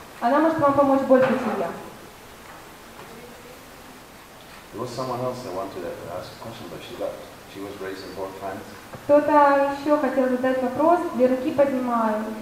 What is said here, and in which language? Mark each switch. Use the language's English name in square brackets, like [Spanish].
[Russian] Она может вам помочь больше, чем я. [English] There was someone else that wanted to ask a question, but she left. She was raising both hands. [Russian] Кто-то еще хотел задать вопрос, две руки поднимаю.